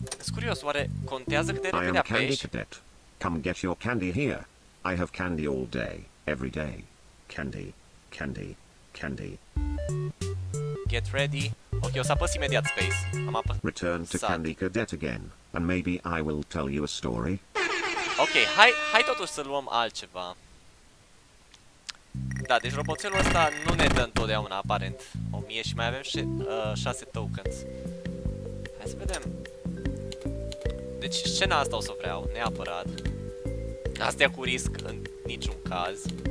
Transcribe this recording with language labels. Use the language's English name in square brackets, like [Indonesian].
[Romanian] curios, oare contează cât de repede apeși? [English] I am Candy Cadet. Come get your candy here. I have candy all day, every day. Candy, candy, candy. Get ready. [Romanian] Ok, o să apăs imediat space. Am apăs. [English] Return to Candy Cadet again, and maybe I will tell you a story. [Romanian] Ok, hai totuși să luăm altceva. Da, deci roboțelul ăsta nu ne dă întotdeauna, aparent, 1000 și mai avem 6 tokens. Hai să vedem. Deci scena asta o să vreau, neapărat. Astea cu risc, în niciun caz.